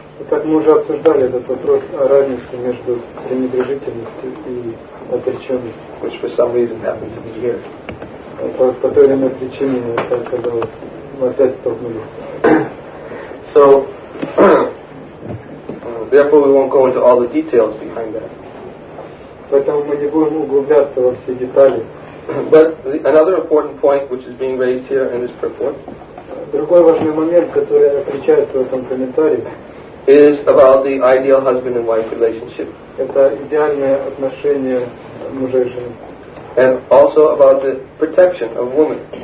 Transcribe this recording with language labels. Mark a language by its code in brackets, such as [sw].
[ru] Итак, мы уже обсуждали этот вопрос о разнице между пренебрежительностью и отреченностью. [en] Which for some reason happened to be here. [ru] По той или иной причине мы опять столкнулись. [en] So, therefore we won't go into all the details behind that. [ru] Поэтому мы не будем углубляться во все детали. [en] But another important point which is being raised here in this purport. [ru] Другой важный момент, который отличается в этом комментарии. [en] Is about the ideal husband and wife relationship. [ru] Это идеальное отношение мужа и жены. [en] And also about the protection of women.